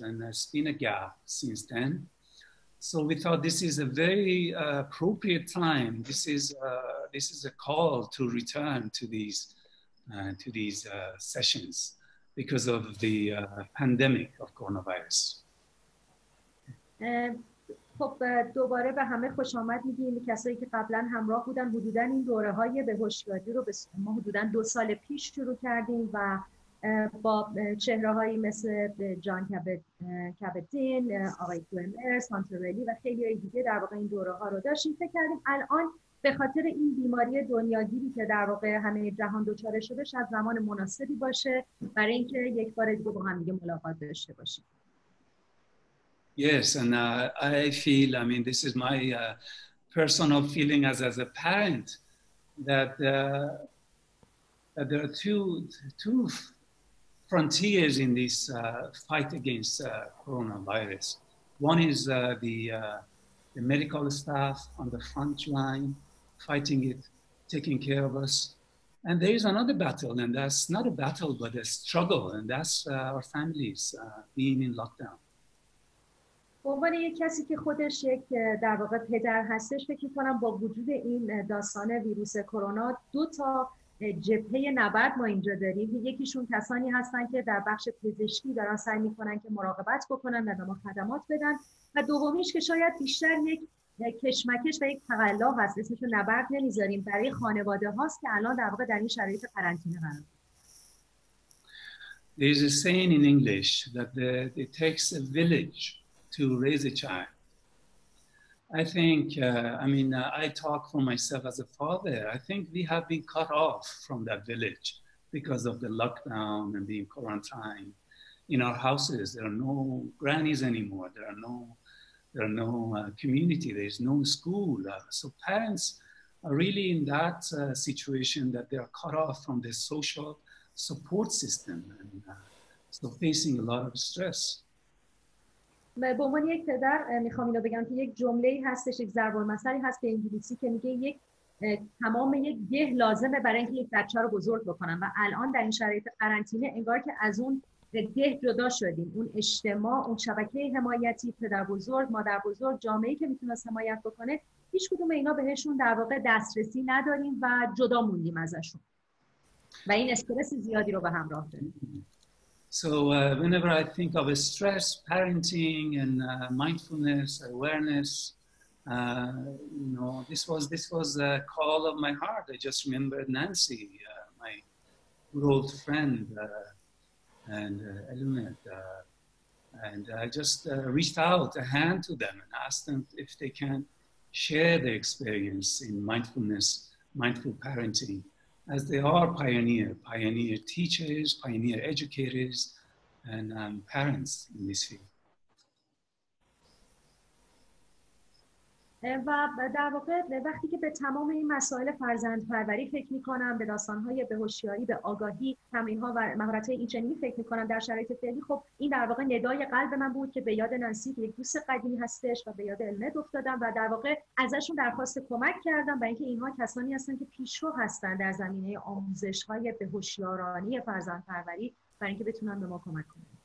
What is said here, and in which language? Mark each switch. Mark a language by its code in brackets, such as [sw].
[en] And there's been a gap since then. So we thought this is a very appropriate time. This is a call to return to these sessions because of the pandemic of coronavirus. [fa] خب دوباره به همه خوش آمد میگیم کسایی که قبلا همراه بودن حدودا این دوره های بهوشیاری رو به ما حدودا 2 سال پیش شروع کردیم و با چهره هایی مثل جان کبت‌زین آقای گرمر سانتوریلی و خیلی های دیگه در واقع این دوره ها رو داشتیم فکر کردیم الان به خاطر این بیماری دنیاگیری که در واقع همه جهان دچار شده شاید زمان مناسبی باشه برای اینکه یک بار دیگه با هم دیگه ملاقات داشته باشیم. [en] Yes, and I mean, this is my personal feeling as a parent, that there are two frontiers in this fight against coronavirus. One is the medical staff on the front line, fighting it, taking care of us. And there is another battle, and that's not a battle, but a struggle, and that's our families being in lockdown. [fa] به عنوان یک کسی که خودش یک در واقع پدر هستش فکر کنم با وجود این داستان ویروس کرونا دو تا جبهه نبرد ما اینجا داریم. یکیشون کسانی هستن که در بخش پزشکی دارن سعی میکنن که مراقبت بکنن و به ما خدمات بدن و دومیش که شاید بیشتر یک کشمکش و یک تقلا هست اسمشو نبرد نمیذاریم برای خانواده هاست که الان در واقع در این شرایط قرنطینه قرار. [en] There is a saying in English that it takes a village to raise a child. I think, I talk for myself as a father. I think we have been cut off from that village because of the lockdown and being quarantined in our houses. There are no grannies anymore. There are no community. There is no school. So parents are really in that situation that they are cut off from the social support system. And so facing a lot of stress. [fa] من به عنوان یک پدر میخوام اینو بگم که یک جمله ای هستش، یک ضرب المثلی هست به انگلیسی که میگه یک تمام یک گه لازمه برای اینکه یک بچه رو بزرگ بکنم و الان در این شرایط قرنطینه انگار که از اون گه جدا شدیم، اون اجتماع، اون شبکه حمایتی، پدر بزرگ، مادر بزرگ، جامعه‌ای که میتونه حمایت بکنه، هیچ کدوم اینا بهشون در واقع دسترسی نداریم و جدا موندیم ازشون و این استرس زیادی رو به همراه داره. [en] So whenever I think of a stress, parenting, and mindfulness, awareness, this was a call of my heart. I just remembered Nancy, my good old friend, and Eluned, and I just reached out a hand to them and asked them if they can share their experience in mindfulness, mindful parenting. As they are pioneer teachers, pioneer educators, and parents in this field. [fa] و در واقع وقتی که به تمام این مسائل فرزندپروری فکر می‌کنم، به داستان‌های به هوشیاری، به آگاهی، تمرین‌ها و مهارت‌های اینچنینی فکر می‌کنم در شرایط فعلی، خب این در واقع ندای قلب من بود که به یاد نانسی که یک دوست قدیمی هستش و به یاد المد افتادم و در واقع ازشون درخواست کمک کردم، برای اینکه اینها کسانی هستن که پیشرو هستن در زمینه آموزش‌های به هوشیارانه فرزندپروری، برای اینکه بتونن به ما کمک کنن.